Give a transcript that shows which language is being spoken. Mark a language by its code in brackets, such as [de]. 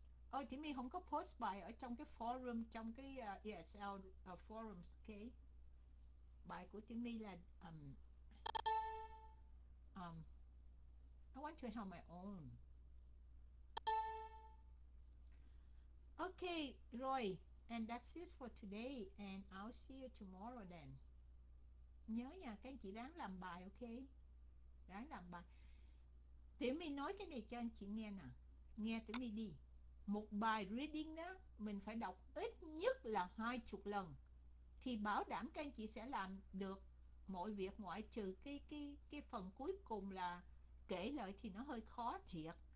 [vi] Ôi, Tiểu My không có post bài ở trong cái forum, trong cái ESL forum. Ok. Bài của Tiểu My là [en] I want to have my own. Okay, Roy, and that's it for today, and I'll see you tomorrow then. [vi] Nhớ nha, các anh chị ráng làm bài, okay? Ráng làm bài. Tiểu My nói cái này cho anh chị nghe nè. Nghe Tiểu My đi. Một bài reading đó, mình phải đọc ít nhất là 20 lần. Thì bảo đảm các anh chị sẽ làm được mọi việc ngoại trừ cái phần cuối cùng là kể lại thì nó hơi khó thiệt.